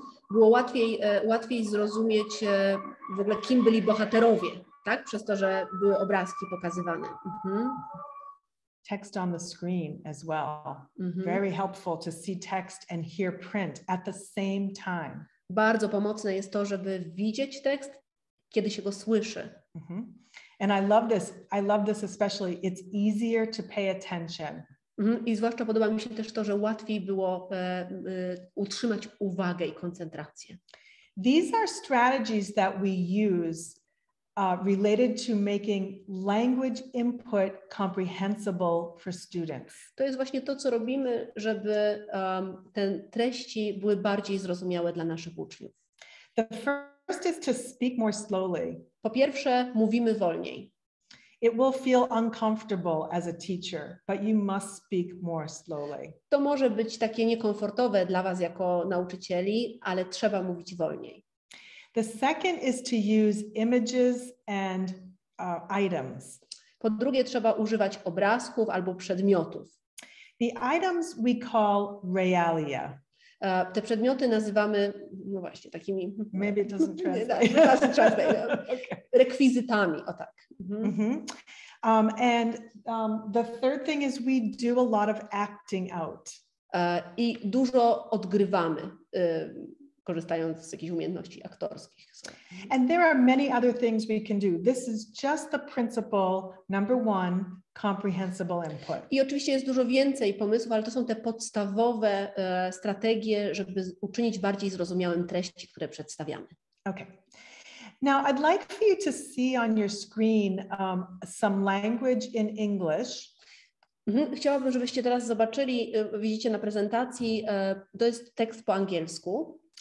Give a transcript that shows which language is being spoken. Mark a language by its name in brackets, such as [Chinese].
[Polish] Było łatwiej zrozumieć w ogóle, kim byli bohaterowie, tak? Przez to, że były obrazki pokazywane. [English] Text on the screen as well. Mm-hmm. Very helpful to see text and hear print at the same time. [Polish] Bardzo pomocne jest to, żeby widzieć tekst, kiedy się go słyszy. Mm-hmm. [English] And I love this especially, it's easier to pay attention. Mm-hmm. [Polish] I zwłaszcza podoba mi się też to, że łatwiej było utrzymać uwagę i koncentrację. [English] These are strategies that we use related to making language input comprehensible for students. [Polish] To jest właśnie to, co robimy, żeby te treści były bardziej zrozumiałe dla naszych uczniów. [English] The first is to speak more slowly. [Polish] Po pierwsze, mówimy wolniej. [English] It will feel uncomfortable as a teacher, but you must speak more slowly. [Polish] To może być takie niekomfortowe dla was jako nauczycieli, ale trzeba mówić wolniej. [English] The second is to use images and items. [Polish] Po drugie, trzeba używać obrazków albo przedmiotów. [English] The items we call realia. [Polish] Te przedmioty nazywamy, no właśnie, takimi... [English] Maybe it doesn't translate. [Polish] Okay. Rekwizytami, o tak. [English] Mm-hmm. The third thing is we do a lot of acting out. [Polish] I dużo odgrywamy, korzystając z jakichś umiejętności aktorskich. [English] And there are many other things we can do. This is just the principle number one, comprehensible input. [Polish] I oczywiście jest dużo więcej pomysłów, ale to są te podstawowe strategie, żeby uczynić bardziej zrozumiałym treści, które przedstawiamy. [English] Okay. Now I'd like for you to see on your screen some language in English. [Polish] Chciałabym, żebyście teraz zobaczyli, widzicie na prezentacji, to jest tekst po angielsku.